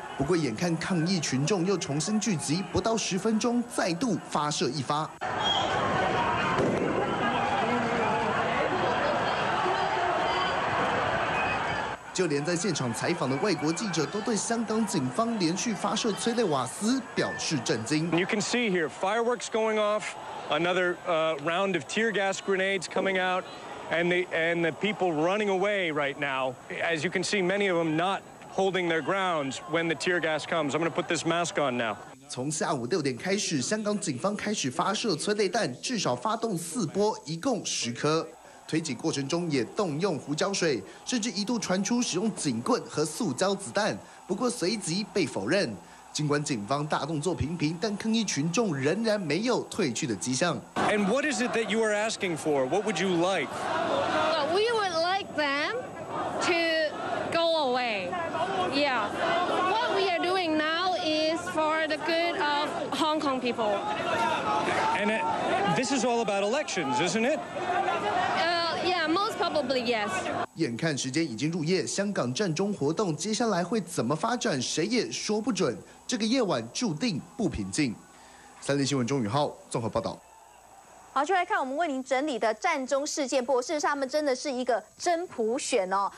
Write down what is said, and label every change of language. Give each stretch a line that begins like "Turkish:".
Chinese: 不过，眼看抗议群众又重新聚集，不到十分钟，再度发射一发。就连在现场采访的外国记者都对香港警方连续发射催泪瓦斯表示震惊。
English: You can see here fireworks going off, another round of tear gas grenades coming out, and the people running away right now. As you can see, many of them not holding their grounds when the tear gas comes. I'm going to put this mask on now.
Chinese: 从下午六点开始，香港警方开始发射催泪弹，至少发动四波，一共10颗。推挤过程中也动用胡椒水，甚至一度传出使用警棍和塑胶子弹，不过随即被否认。尽管警方大动作频频，但抗议群众仍然没有退去的迹象。
English: And what is it that you are asking for? What would you like? We would like them to go away. Yeah. What we are doing now is for the good of Hong Kong people. And it, this is all about elections, isn't it? Probably, yes.
Chinese: 眼看时间已经入夜，香港战中活动接下来会怎么发展，谁也说不准。这个夜晚注定不平静。三立新闻钟宇浩综合报道。好，就来看我们为您整理的战中事件簿。事实上，他们真的是一个真普选哦。